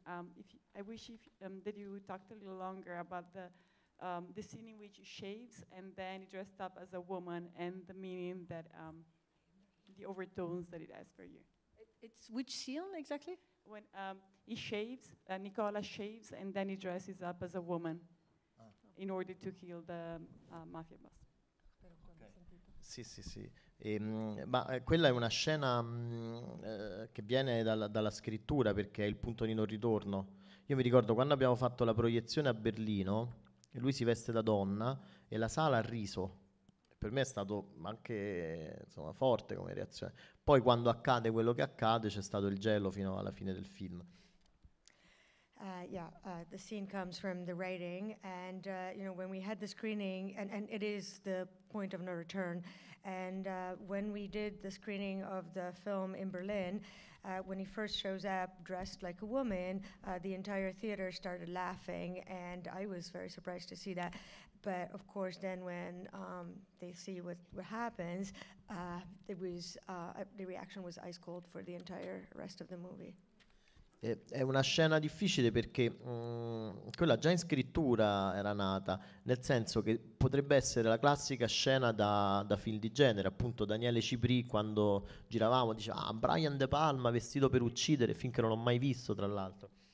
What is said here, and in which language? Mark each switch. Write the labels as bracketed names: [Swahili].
[English] I wish that you talked a little longer about the scene in which he shaves and then he dressed up as a woman and the meaning that the overtones that it has for you. It's which scene exactly? When he shaves, Nicola shaves, and then he dresses up as a woman in order to kill the mafia boss. [Italian] Sì, sì, sì. Quella è una scena che viene dalla scrittura, perché è il punto di non ritorno. Io mi ricordo quando abbiamo fatto la proiezione a Berlino, lui si veste da donna e la sala ha riso. Per me è stato anche insomma forte come reazione. Poi quando accade quello che accade, c'è stato il gelo fino alla fine del film. [English] The scene comes from the writing, and you know, when we had the screening, and it is the point of no return. And when we did the screening of the film in Berlin, when he first shows up dressed like a woman, the entire theater started laughing, and I was very surprised to see that. But of course, then when they see what happens, the reaction was ice cold for the entire rest of the movie. [Italian] È una scena difficile perché quella già in scrittura era nata, nel senso che potrebbe essere la classica scena da film di genere, appunto Daniele Cipri quando giravamo diceva Brian De Palma vestito per uccidere, film che non ho mai visto tra l'altro.